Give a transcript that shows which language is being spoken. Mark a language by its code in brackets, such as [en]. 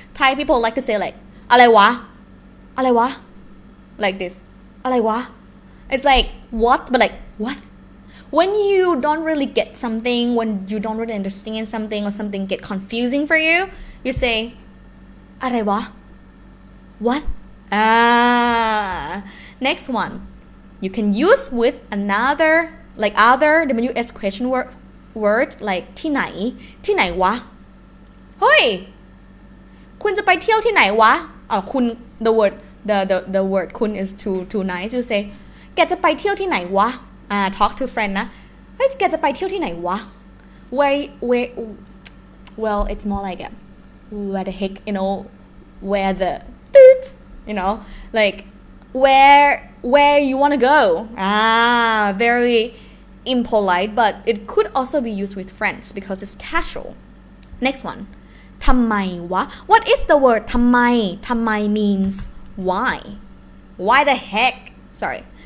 [en] Thai people like to say like, Alewa, Alewa, like this, Alewa. It's like, what, but like, what? When you don't really get something, when you don't really understand something or something get confusing for you, you say, Alewa, what? Next one, you can use with another, like other, the WS question word like [th] ที่ไหนที่ไหนวะ [en] hey [th] คุณจะไปเที่ยวที่ไหนวะ คุณ [en] the word the word คุณ is too nice you say [th] แกจะไปเที่ยวที่ไหนวะ [en] talk to friend นะ hey แกจะไปเที่ยวที่ไหนวะ where well it's more like a, where the heck you know where the you know like where where you want to go. Very impolite, but it could also be used with friends because it's casual. Next one. Tamai wa. What is the word tamai? Tamai means why. Why the heck? Sorry.